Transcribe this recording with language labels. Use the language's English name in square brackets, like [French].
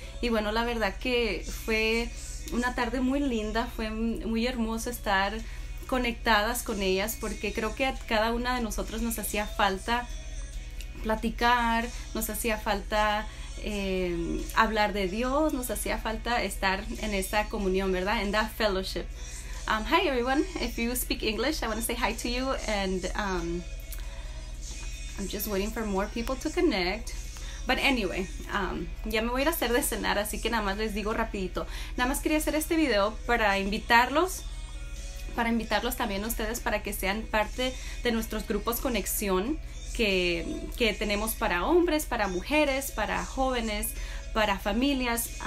[Spanish] Y bueno, la verdad que fue una tarde muy linda, fue muy hermoso estar conectadas con ellas porque creo que a cada una de nosotros nos hacía falta platicar, nos hacía falta hablar de Dios, nos hacía falta estar en esa comunión, ¿verdad? [English] En that fellowship. Hi everyone, if you speak English, I want to say hi to you and I'm just waiting for more people to connect. But anyway, [Spanish] ya me voy a ir a hacer de cenar, así que nada más les digo rapidito. Nada más quería hacer este video para invitarlos también a ustedes para que sean parte de nuestros grupos conexión que tenemos para hombres, para mujeres, para jóvenes, para familias.